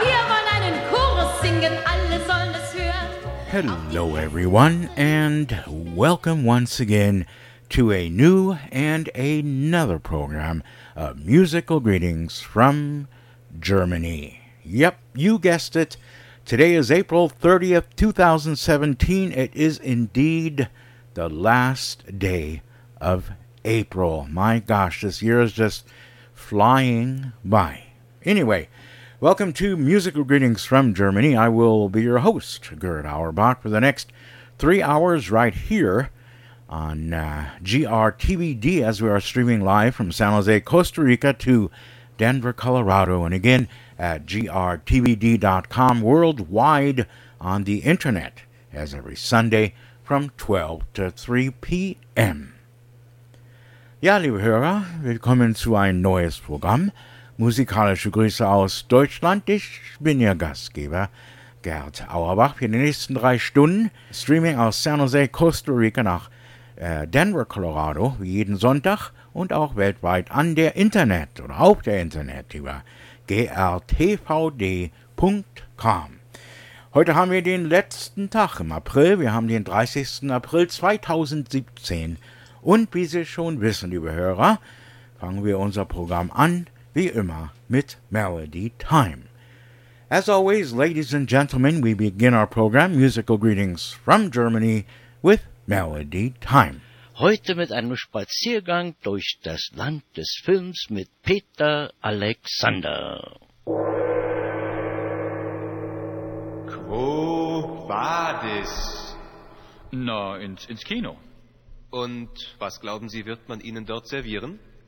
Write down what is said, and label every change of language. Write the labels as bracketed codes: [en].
[de] Wir wollen einen Chorus singen, alle sollen es hören. [en] Hello everyone, and welcome once again to a new and another program of musical greetings from Germany. Yep, you guessed it. Today is April 30th, 2017. It is indeed the last day of April. My gosh, this year is just flying by. Anyway, welcome to Musical Greetings from Germany. I will be your host, Gerd Auerbach, for the next 3 hours right here on GRTVD as we are streaming live from San Jose, Costa Rica to Denver, Colorado. And again, at grtvd.com worldwide on the internet as every Sunday from 12 to 3 p.m. [de] Ja, liebe Hörer, willkommen zu ein neues Programm. Musikalische Grüße aus Deutschland. Ich bin Ihr Gastgeber, Gerd Auerbach, für die nächsten 3 Stunden. Streaming aus San Jose, Costa Rica nach Denver, Colorado, jeden Sonntag und auch weltweit an der Internet oder auf der Internet über grtvd.com. Heute haben wir den letzten Tag im April. Wir haben den 30. April 2017. Und wie Sie schon wissen, liebe Hörer, fangen wir unser Programm an, wie immer, mit Melody Time. [en] As always, ladies and gentlemen, we begin our program, Musical Greetings from Germany, with Melody Time. [de] Heute mit einem Spaziergang durch das Land des Films mit Peter Alexander. [la] Quo vadis? [de] Na, ins Kino. Und was glauben Sie, wird man Ihnen dort servieren?